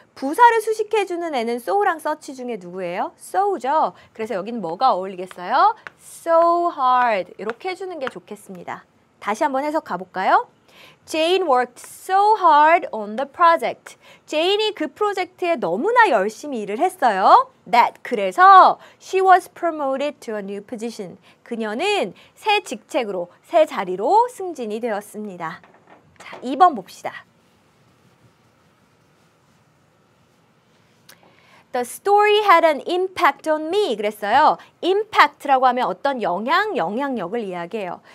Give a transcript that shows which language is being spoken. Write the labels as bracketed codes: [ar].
[ko] 부사를 수식해주는 애는 so랑 such 중에 누구예요? so죠. 그래서 여기는 뭐가 어울리겠어요? so hard 이렇게 해주는 게 좋겠습니다. 다시 한번 해석 가볼까요? [en] Jane worked so hard on the project. [ko] Jane이 그 프로젝트에 너무나 열심히 일을 했어요. [en] That [ko] 그래서 [en] she was promoted to a new position. [ko] 그녀는 새 직책으로, 새 자리로 승진이 되었습니다. 자, 2번 봅시다. [en] The story had an impact on me. [ko] 그랬어요. Impact라고 하면 어떤 영향, 영향력을 이야기해요.